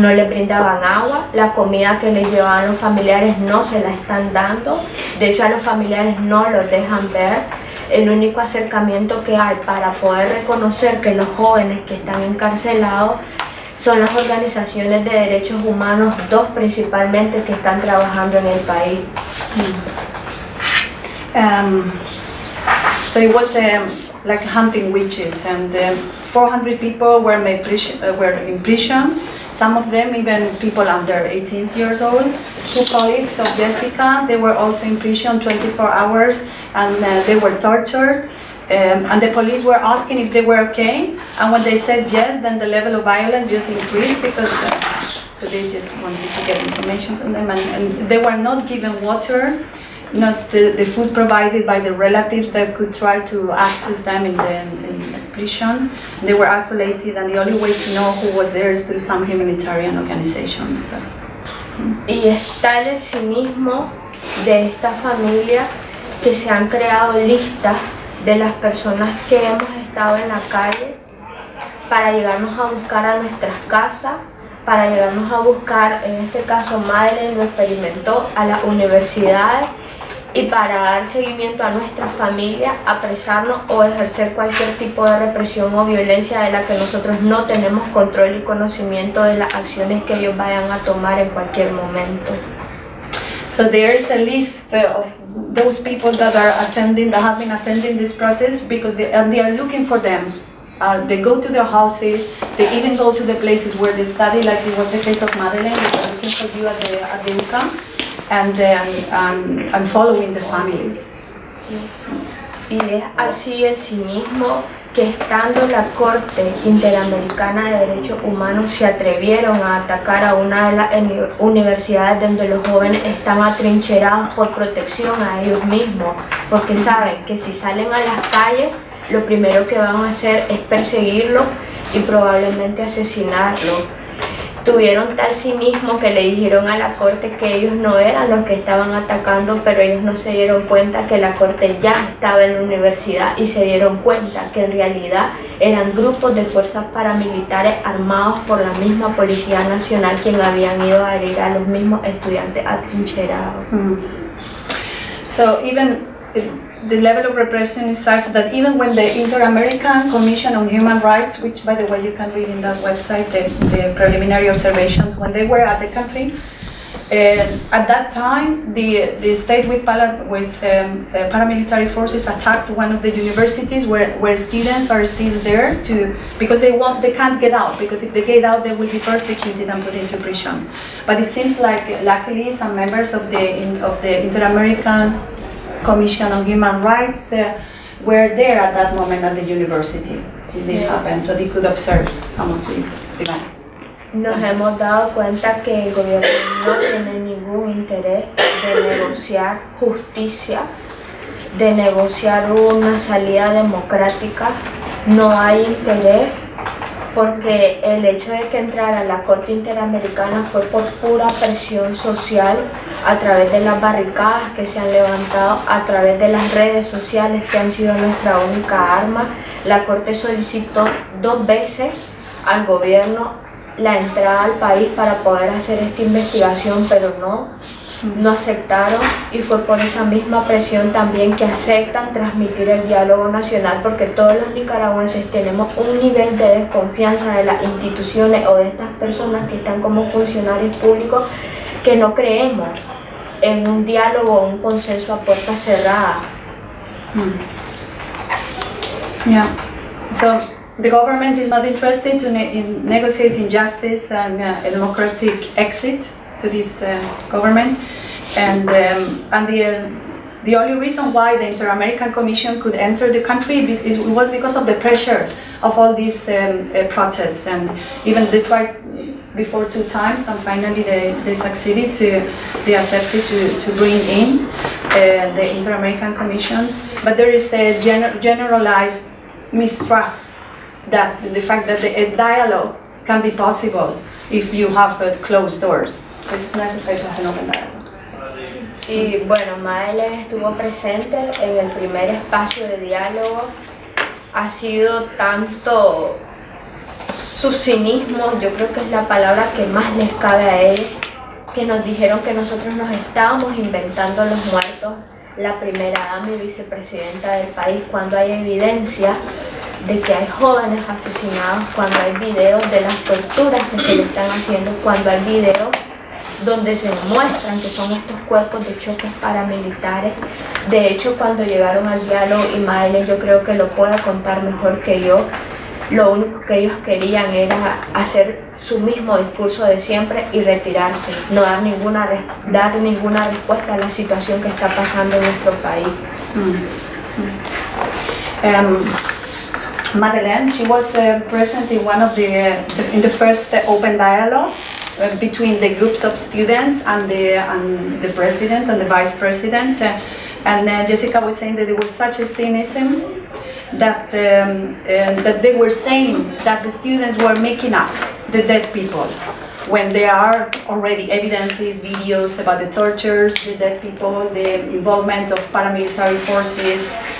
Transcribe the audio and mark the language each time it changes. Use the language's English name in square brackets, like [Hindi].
[Spanish] No les brindaban agua, la comida que les llevaban los familiares no se la están dando, de hecho a los familiares no los dejan ver. El único acercamiento que hay para poder reconocer que los jóvenes que están encarcelados son las organizaciones de derechos humanos, dos principalmente que están trabajando en el país. [English] So it was like hunting witches, and 400 people were made were in prison. Some of them even people under 18 years old. Two colleagues of Jessica, they were also in prison 24 hours, and they were tortured. And the police were asking if they were okay, and when they said yes, then the level of violence just increased because so they just wanted to get information from them, and they were not given water. Not the food provided by the relatives that could try to access them in the prison. They were isolated, and the only way to know who was there is through some humanitarian organizations. [Spanish] Y está el cinismo de esta familia que se han creado listas de las personas que hemos estado en la calle para llegarnos a buscar a nuestras casas. Para llegarnos a buscar, en este caso, madre lo experimentó a la universidad y para dar seguimiento a nuestra familia, apresarnos o ejercer cualquier tipo de represión o violencia de la que nosotros no tenemos control y conocimiento de las acciones que ellos vayan a tomar en cualquier momento. [English] So there is a list of those people that are attending, that have been attending this protest because they are looking for them. They go to their houses, they even go to the places where they study, like it was the case of Madeleine, they are looking for you at the UCA, and then I'm following the families. [Spanish] Y es así el cinismo que estando la Corte Interamericana de Derechos Humanos se atrevieron a atacar a una de las universidades donde los jóvenes están atrincherados por protección a ellos mismos, porque saben que si salen a las calles, lo primero que van a hacer es perseguirlo y probablemente asesinarlo. Tuvieron tal cinismo que le dijeron a la corte que ellos no eran los que estaban atacando, pero ellos no se dieron cuenta que la corte ya estaba en la universidad y se dieron cuenta que en realidad eran grupos de fuerzas paramilitares armados por la misma Policía Nacional quien habían ido a herir a los mismos estudiantes atrincherados. [English] So even the level of repression is such that even when the Inter-American Commission on Human Rights, which by the way you can read in that website, the preliminary observations, when they were at the country, at that time the state paramilitary forces attacked one of the universities where students are still there to because they can't get out, because if they get out they will be persecuted and put into prison. But it seems like luckily some members of the Inter-American Commission on Human Rights were there at that moment at the university when this happened, so they could observe some of these events. [Spanish] Nos hemos dado cuenta que el gobierno no tiene ningún interés de negociar justicia, de negociar una salida democrática. No hay interés porque el hecho de que entrara a la Corte Interamericana fue por pura presión social a través de las barricadas que se han levantado, a través de las redes sociales que han sido nuestra única arma. La Corte solicitó dos veces al gobierno la entrada al país para poder hacer esta investigación, pero no aceptaron, y fue por esa misma presión también que aceptan transmitir el diálogo nacional, porque todos los nicaragüenses tenemos un nivel de desconfianza de las instituciones o de estas personas que están como funcionarios públicos, que no creemos en un diálogo o un consenso a puerta cerrada. [English] Yeah. So the government is not interested in negotiating justice and a democratic exit to this government, and the only reason why the Inter-American Commission could enter the country was because of the pressure of all these protests, and even they tried before two times, and finally they succeeded to they accepted to bring in the Inter-American Commissions. But there is a generalized mistrust that the fact that a dialogue can be possible if you have closed doors. So it's necessary to have an open dialogue. [Spanish] Y bueno, Maele estuvo presente en el primer espacio de diálogo. Ha sido tanto su cinismo, yo creo que es la palabra que más les cabe a él, que nos dijeron que nosotros nos estábamos inventando los muertos, la primera dama y vicepresidenta del país, cuando hay evidencia de que hay jóvenes asesinados, cuando hay videos de las torturas que se le están haciendo, cuando hay videos donde se muestran que son estos cuerpos de choques paramilitares. De hecho, cuando llegaron al diálogo, y Maele yo creo que lo puede contar mejor que yo, lo único que ellos querían era hacer su mismo discurso de siempre y retirarse, no dar ninguna respuesta a la situación que está pasando en nuestro país. [English] Madeleine, she was present in one of the first open dialogue between the groups of students and the president and the vice president, and Jessica was saying that there was such a cynicism that they were saying that the students were making up the dead people, when there are already evidences, videos about the tortures, the dead people, the involvement of paramilitary forces.